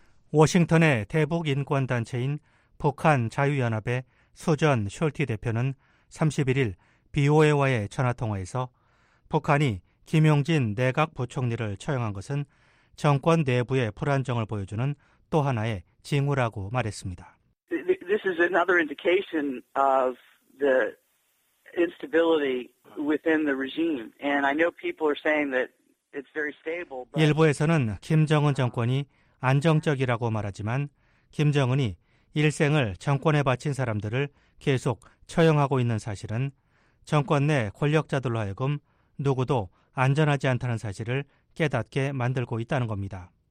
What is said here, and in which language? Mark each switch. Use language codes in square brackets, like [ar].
[ko] 워싱턴의 대북인권단체인 북한자유연합의 수전 숄티 대표는 31일 BOA와의 전화통화에서 북한이 김용진 내각 부총리를 처형한 것은 정권 내부의 불안정을 보여주는 또 하나의 징후라고 말했습니다. [en] This is another indication of the instability within the regime. And I know people are saying that it's very stable. [ko] 일부에서는 김정은 정권이 안정적이라고 말하지만 김정은이 일생을 정권에 바친 사람들을 계속 처형하고 있는 사실은 정권 내 권력자들로 하여금 누구도 안전하지 않다는 사실을 깨닫게 만들고 있다는 겁니다.